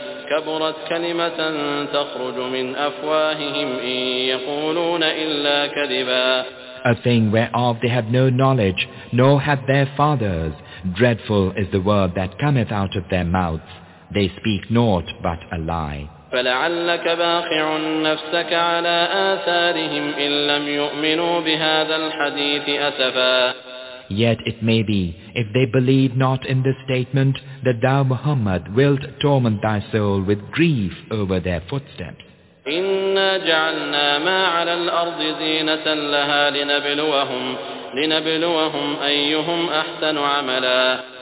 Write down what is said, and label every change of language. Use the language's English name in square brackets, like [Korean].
[Arabic] كبرت كلمة تخرج من أفواههم إن يقولون إلا كذبا. [English] A thing whereof they have no knowledge, nor have their fathers. Dreadful is the word that cometh out of their mouths. They speak naught but a lie. [Arabic] فلعلك باخع نفسك على آثارهم إن لم يؤمنوا بهذا الحديث أسفا. [English] Yet it may be, if they believe not in this statement, that thou, Muhammad, wilt torment thy soul with grief over their footsteps. [Arabic] إِنَّا جَعَلْنَا مَا عَلَى الْأَرْضِ زِينَةً لَهَا لِنَبْلُوَهُمْ أَيُّهُمْ أَحْسَنُ عَمَلًا.